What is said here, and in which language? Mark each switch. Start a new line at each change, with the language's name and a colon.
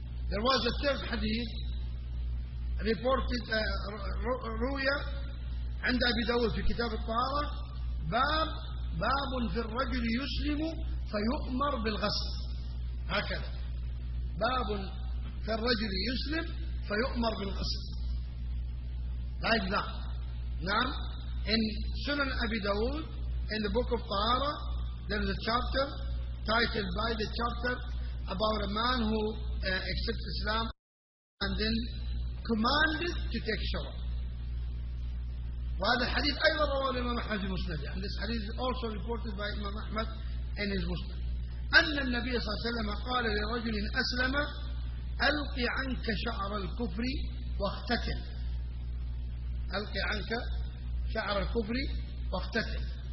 English: There was a third
Arabic: حديث reported روية عند أبي داود في كتاب الطهارة, باب في الرجل يسلم فيؤمر بالغسل. هكذا, باب في الرجل يسلم فيؤمر بالغسل.
English: Like that. Now, in Sunan Abi Dawud, in the book of Tahara, there is a chapter titled by the chapter about a man who accepts Islam and then commanded to take shower.
Arabic: وهذا الحديث أيضا رواه الإمام أحمد المسند.
English: And this hadith is also reported by Imam Ahmad in his Muslim.
Arabic: أن النبي صلى الله عليه وسلم قال لرجل أسلم, ألقي عنك شعر الكفر واختتن. ألقي عنك شعر الكفر واختتن.